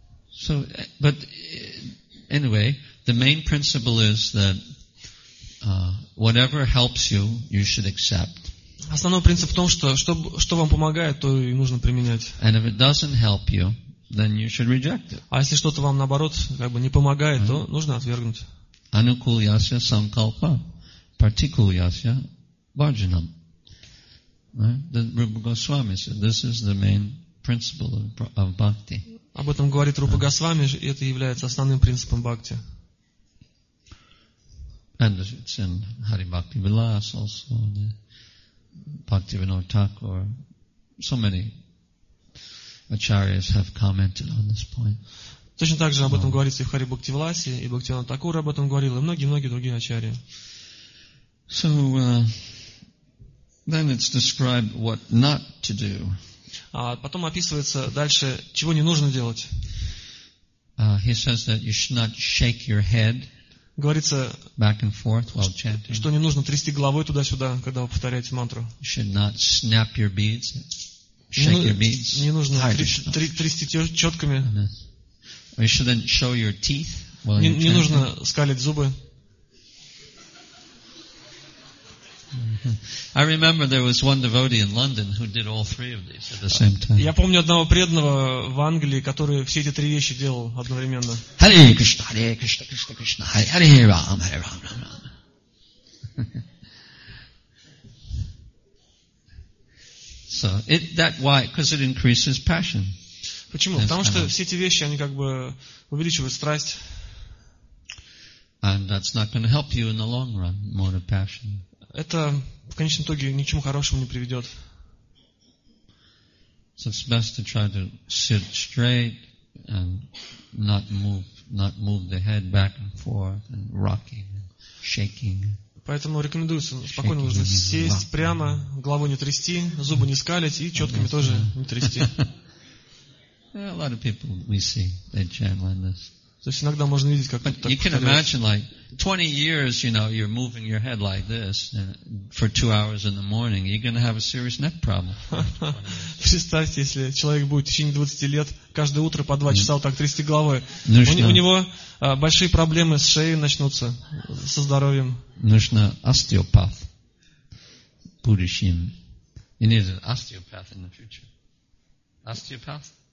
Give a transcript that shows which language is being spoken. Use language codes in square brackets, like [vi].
[en] So, but anyway, the main principle is that whatever helps you, you should accept. [ru] Основной принцип в том, что вам помогает, то и нужно применять. [en] And if it doesn't help you, then you should reject it. [ru] А если что-то вам наоборот как бы не помогает, то нужно отвергнуть. [sa] Anukulyasya sankalpa, pratikulyasya bhajanam. [en] The Rupa Goswami said, "This is the main principle of bhakti." [ru] Об этом говорит Рупа Госвами, и это является основным принципом бхакти. [en] And it's in Hari Bhakti Vilas also, Bhakti Vinod Thakur. So many acharyas have commented on this point. [ru] Точно так же об этом говорится и в Хари Бхакти Виласе, и Бхактивинод Такур об этом говорил, и многие-многие другие ачарьи. [en] So, then it's described what not to do. [ru] А потом описывается дальше, чего не нужно делать. [en] He says that you should not shake your head. [ru] Говорится, [en] back and forth while chanting. [ru] Что не нужно трясти головой туда-сюда, когда вы повторяете мантру. [en] You should not snap your beads. Shake your beads. [ru] Не нужно трясти четками. [en] You shouldn't show your teeth while you're chanting. [ru] Не нужно скалить зубы. [en] I remember there was one devotee in London who did all three of these at the same time. [ru] Я помню одного преданного в Англии, который все эти три вещи делал одновременно. [sa] Hare Krishna, Hare Krishna, Krishna Krishna, Hare Ram, Hare Ram, Ram Ram. [en] So it that why? Because it increases passion. [ru] Почему? Потому что все эти вещи они как бы увеличивают страсть. [en] And that's not going to help you in the long run, more of passion. [ru] Это в конечном итоге ни к чему хорошему не приведет. [en] So it's best to try to sit straight and not move the head back and forth and rocking and shaking. [ru] Поэтому рекомендуется спокойно уже сесть прямо, голову не трясти, зубы не скалить и четками тоже не трясти. [en] A lot of people we see they chant like this. [ru] То есть иногда можно видеть, как так. [en] You can imagine like 20 years, you know, you're moving your head like this for 2 hours in the morning, you're going to have a serious neck problem. [ru] Представьте, если человек будет в течение 20 лет каждое утро по 2 часа вот так трясти головой, у него большие проблемы с шеей начнутся, со здоровьем. Нужно остеопат в будущем. [en] You need an osteopath in the future. Osteopath?